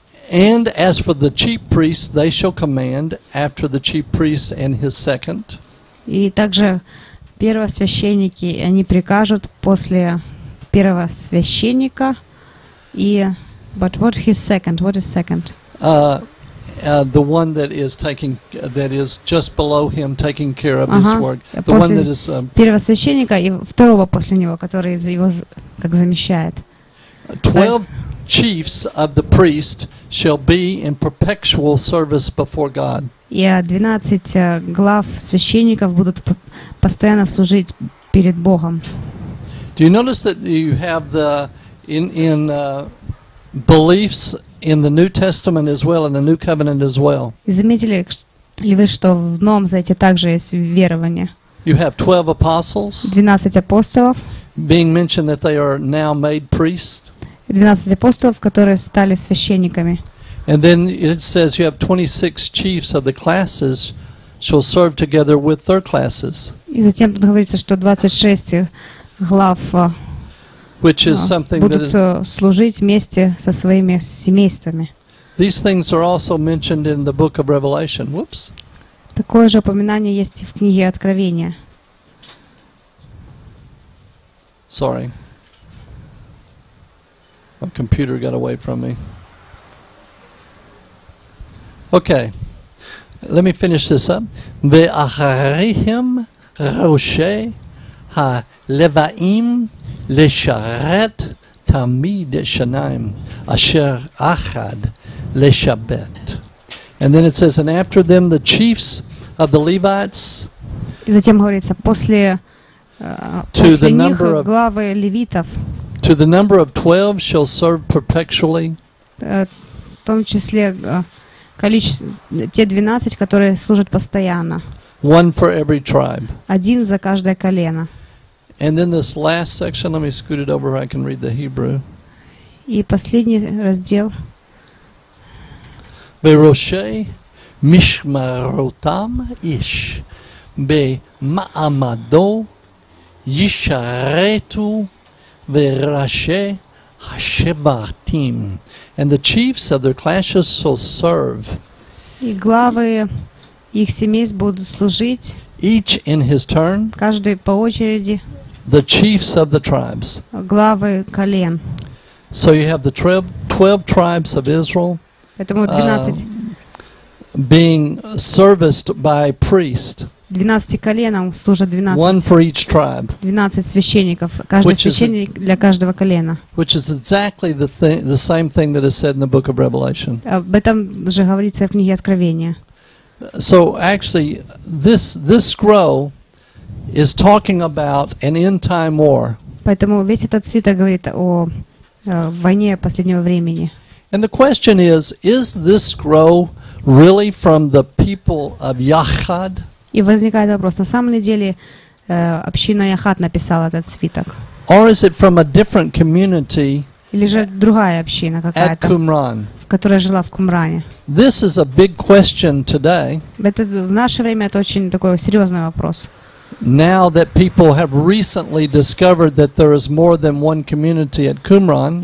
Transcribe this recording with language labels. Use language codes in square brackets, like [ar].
[en] And as for the chief priests, they shall command after the chief priest and his second. [ru] И также первосвященники, они прикажут после первосвященника и [en] but what his second? What is second? The one that is taking, that is just below him, taking care of his work. The one that is [ru] первосвященника и второго после него, который его как замещает. [en] 12 chiefs of the priest shall be in perpetual service before God. [ru] Yeah, 12 глав священников будут постоянно служить перед Богом. [en] Do you notice that you have the in beliefs? In the New Testament as well, in the New Covenant as well. [ru] Заметили ли вы, что в Новом Завете также есть верование? [en] You have 12 apostles. [ru] 12 апостолов. [en] Being mentioned that they are now made priests. [ru] 12 апостолов, которые стали священниками. [en] And then it says you have 26 chiefs of the classes shall serve together with their classes. [ru] И затем тут говорится, что 26 глав [en] which is something [ru] будут [en] that is, [ru] служить вместе со своими семействами. [en] These things are also mentioned in the book of Revelation. Whoops. [ru] Такое же упоминание есть в книге Откровения. [en] Sorry. My computer got away from me. Okay. Let me finish this up. [he] Ve'acharihim roshei ha-leva'im לשרת תמיד שניים אשר אחד לשבת. [en] And then it says, and after them the chiefs of the Levites. [ru] И затем говорится после них главы левитов. [en] To the number of 12 shall serve perpetually. [ru] В том числе количество те 12, которые служат постоянно. [en] One for every tribe. [ru] Один за каждое колено. [en] And then this last section, let me scoot it over where I can read the Hebrew. [ru] И последний раздел. [he] Бероши мишмаротам иш бемаамадо ишарету вераше хашеватим. [en] And the chiefs of their clashes shall serve. [ru] И главы их семейств будут служить. [en] Each in his turn. [ru] Каждый по очереди. [en] The chiefs of the tribes. [ru] Главы колен. [en] So you have the 12 tribes of Israel. [ru] Поэтому 12. [en] Being serviced by priest. [ru] 12 коленам служат 12. [en] One for each tribe. [ru] 12 священников, каждый священник для каждого колена. [en] Which is exactly the same thing that is said in the book of Revelation. [ru] Об этом же говорится в книге Откровения. [en] So actually this scroll is talking about an end time war. [ru] Поэтому весь этот свиток говорит о войне последнего времени. [en] And the question is this scroll really from the people of Яхад? [ru] И возникает вопрос, на самом деле община Яхад написала этот свиток? [en] Or is it from a different community? [ru] Или же другая община какая-то, которая жила в Кумране? [en] This is a big question today. [ru] Это в наше время это очень такой серьезный вопрос. [en] Now that people have recently discovered that there is more than one community at Qumran.